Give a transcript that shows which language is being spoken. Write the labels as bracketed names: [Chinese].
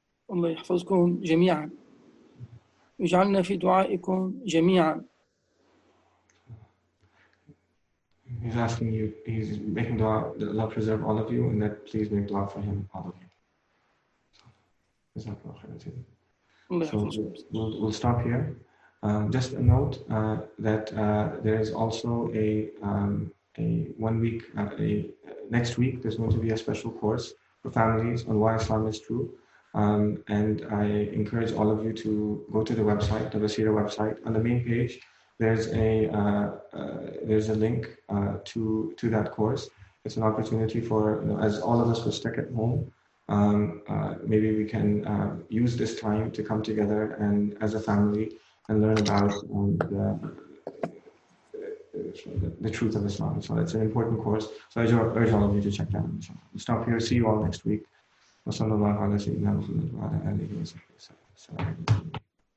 [Arabic] الله يحفظكم جميعا، يجعلنا في دعائكم جميعا. [English] He's asking you, he's making dua that Allah preserve all of you and that please make dua for him, all of you. So, we'll stop here. Just a note that there is also a 1 week, next week there's going to be a special course for families on why Islam is true. And I encourage all of you to go to the website, the Basira website. On the main page, there's a link to that course. It's an opportunity for, you know, as all of us were stuck at home, maybe we can use this time to come together and as a family and learn about the truth of Islam. So it's an important course. So I urge all of you to check that out. We'll stop here. See you all next week. [Arabic] وصلى الله على سيدنا محمد وعلى آله وصحبه وسلم.